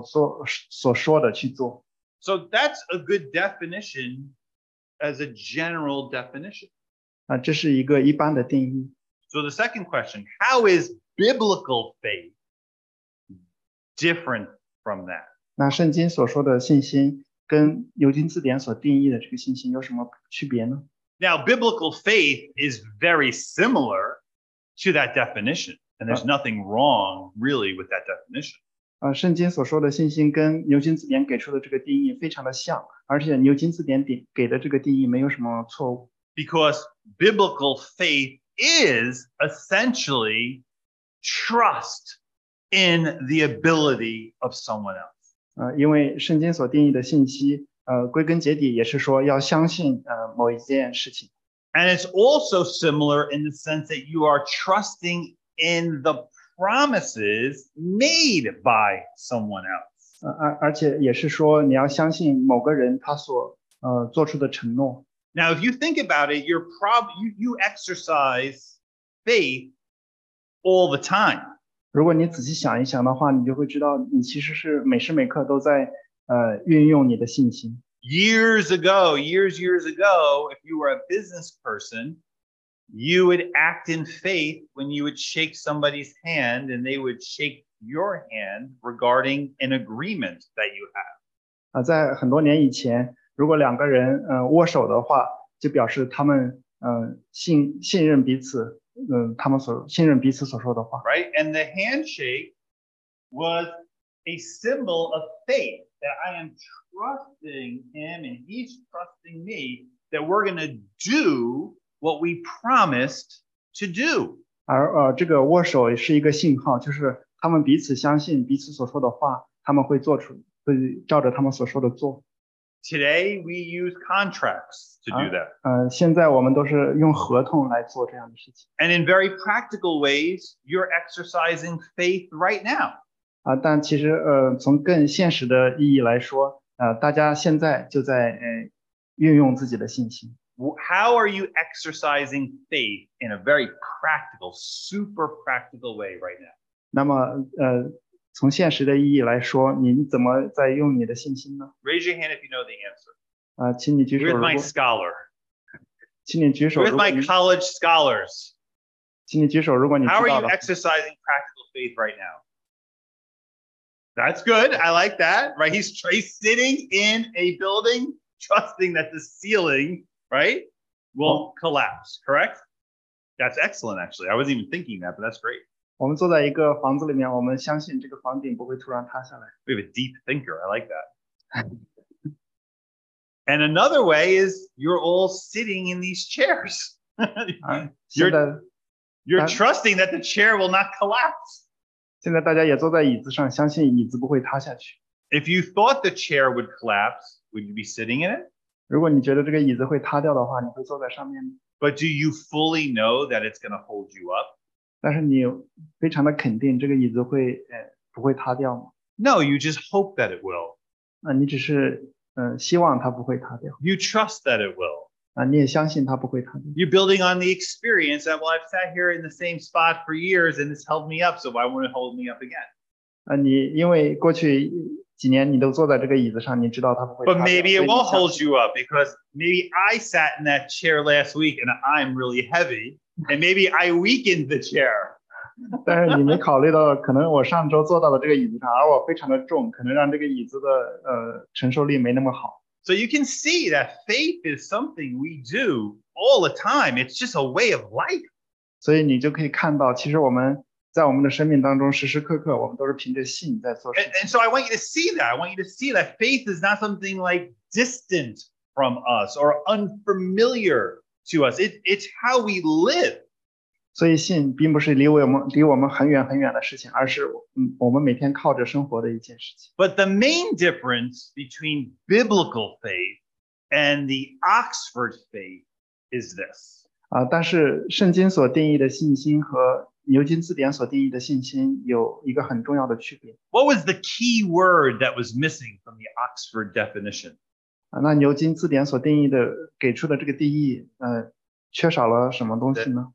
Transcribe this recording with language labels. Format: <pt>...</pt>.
<zh>就是信心就是相信有一些人某一些东西他会照着他所说的去做。</zh> <en>So that's a good definition as a general definition.</en> <zh>这是一个一般的定义。</zh> <en>So the second question, how is biblical faith different from that?</en> <zh>那圣经所说的信心跟牛津字典所定义的这个信心有什么区别呢？</zh> <en>Now, biblical faith is very similar to that definition, and there's nothing wrong really with that definition.</en> <zh>圣经所说的信心跟牛津字典给出的这个定义非常的像，而且牛津字典给的这个定义没有什么错误。</zh> <en>Because biblical faith is essentially trust in the ability of someone else.</en> <zh>因为圣经所定义的信息，归根结底也是说要相信某一件事情。</zh> <en>And it's also similar in the sense that you are trusting in the promises made by someone else.</en> <zh>而且也是说你要相信某个人他所做出的承诺。</zh> <en>Now, if you think about it, you exercise faith all the time.</en> <zh>如果你仔细想一想的话，你就会知道你其实是每时每刻都在运用你的信心。</zh> <en>Years ago, if you were a business person, you would act in faith when you would shake somebody's hand and they would shake your hand regarding an agreement that you have.</en> <zh>在很多年以前，如果两个人握手的话，就表示他们信任彼此，他们所信任彼此所说的话。</zh> <en>Right, and the handshake was a symbol of faith that I am trusting him and he's trusting me that we're going to do what we promised to do.</en> <zh>而这个握手是一个信号，就是他们彼此相信彼此所说的话，他们会做出，会照着他们所说的做。</zh> <en>Today we use contracts to do that.</en> <zh>现在我们都是用合同来做这样的事情。</zh> <en>And in very practical ways, you're exercising faith right now.</en> <zh>但其实从更现实的意义来说，大家现在就在运用自己的信心。</zh> <en>How are you exercising faith in a very practical, super practical way right now?</en> <zh>那么从现实的意义来说，你怎么在用你的信心呢？</zh> <en>Raise your hand if you know the answer.</en> <zh>请你举手。</zh> <en>With my scholar.</en> <zh>请你举手。</zh> <en>With my college scholars.</en> <zh>请你举手，如果你知道的。</zh> <en>How are you exercising practical faith right now? That's good. I like that. Right? He's sitting in a building, trusting that the ceiling, right, will collapse. Correct? That's excellent, actually. I wasn't even thinking that, but that's great.</en> <zh>我们坐在一个房子里面，我们相信这个房顶不会突然塌下来。</zh> <en>We have a deep thinker. I like that. And another way is you're all sitting in these chairs. you're trusting that the chair will not collapse.</en> <zh>现在大家也坐在椅子上，相信椅子不会塌下去。</zh> <en>If you thought the chair would collapse, would you be sitting in it?</en> <zh>如果你觉得这个椅子会塌掉的话，你会坐在上面吗？</zh> <en>But do you fully know that it's going to hold you up?</en> <zh>但是你非常的肯定这个椅子会不会塌掉吗？</zh> <en>No, you just hope that it will.</en> <zh>你只是希望它不会塌掉。</zh> <en>You trust that it will.</en> <zh>你也相信它不会塌掉。</zh> <en>You're building on the experience that, well, I've sat here in the same spot for years and it's held me up, so why won't it hold me up again?</en> <zh>你因为过去几年你都坐在这个椅子上，你知道它不会塌掉。</zh> <en>But maybe it won't hold you up because maybe I sat in that chair last week and I'm really heavy. And maybe I weakened the chair.</en> <zh>但是你没考虑到，可能我上周坐到了这个椅子上，而我非常的重，可能让这个椅子的承受力没那么好。</zh> <en>So you can see that faith is something we do all the time. It's just a way of life.</en> <zh>所以你就可以看到，其实我们在我们的生命当中，时时刻刻，我们都是凭着信在做事情。</zh> <en>And so I want you to see that. I want you to see that faith is not something like distant from us or unfamiliar. To us, it's how we live.</en> <zh>所以信并不是离我们很远很远的事情，而是我们每天靠着生活的一件事情。</zh> <en>But the main difference between biblical faith and the Oxford faith is this.</en> <zh>但是圣经所定义的信心和牛津字典所定义的信心有一个很重要的区别。</zh> <en>What was the key word that was missing from the Oxford definition?</en> <zh>那牛津字典所定义的给出的这个定义缺少了什么东西呢？</zh>